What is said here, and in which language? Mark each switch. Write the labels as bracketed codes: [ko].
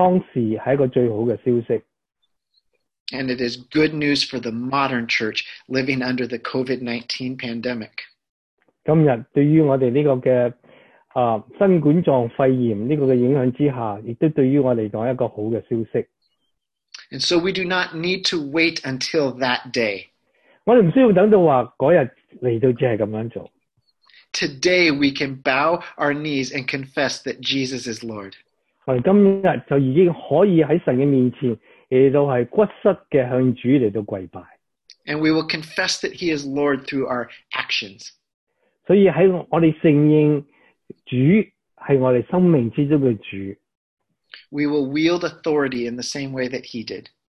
[zh] 所以这个对于腓立比教会的基督徒当时是一个最好的消息。 [en] And it is good news for the modern church living under the COVID-19 pandemic. [zh] 今天对于我们这个新冠状肺炎这个影响之下，也都对于我来讲一个好的消息。 [en] And so we do not need to wait until that day. [zh] 我们不需要等到说那天来到只是这样做。 [en] Today we can bow our knees and confess that Jesus is Lord. [zh] 我们今天就已经可以在神的面前 [en] And we will confess that he is Lord through our actions. [zh] 所以我们承认主是我们生命之中的主。 [en] We will wield authority in the same way that he did.